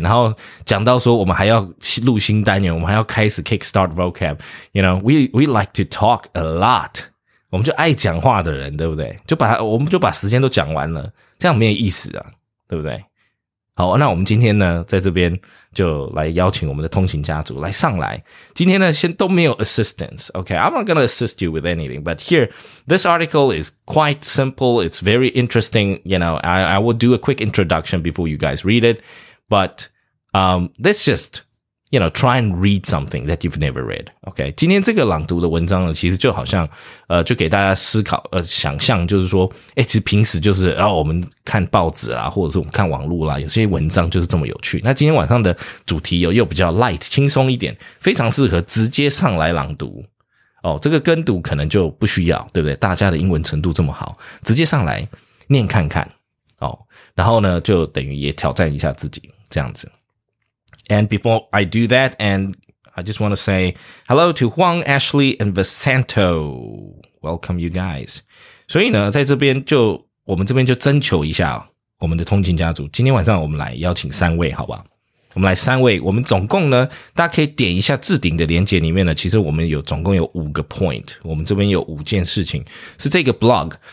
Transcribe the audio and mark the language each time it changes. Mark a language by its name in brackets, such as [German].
[Chinese] 然后讲到说我们还要录新单元，我们还要开始 [English] kickstart vocab， you know， we like to talk a lot， [Chinese] 我们就爱讲话的人，对不对？我们就把时间都讲完了，这样没有意思啊，对不对？好，那我们今天呢在这边就来邀请我们的通勤家族来上来。今天呢先都没有 [English] assistance， OK， I'm not going to assist you with anything， but here this article is quite simple， it's very interesting， you know， I will do a quick introduction before you guys read it， but let's just， you know， try and read something that you've never read， OK。 [Chinese] 今天这个朗读的文章呢，其实就好像就给大家思考想象，就是说其实平时就是我们看报纸啦，或者是我们看网络啦，有些文章就是这么有趣。那今天晚上的主题又比较 light， 轻松一点，非常适合直接上来朗读这个跟读可能就不需要，对不对？大家的英文程度这么好，直接上来念看看然后呢就等于也挑战一下自己这样子。 [English] And before I do that, and I just want to say hello to Huang, Ashley, and Vicento. Welcome you guys. [Chinese] 所以呢，在这边就我们这边就征求一下我们的通勤家族，今天晚上我们来邀请三位，好吧？我们来三位，我们总共呢，大家可以点一下置顶的连结里面呢，其实我们有总共有五个 point， 我们这边有五件事情是这个 blog。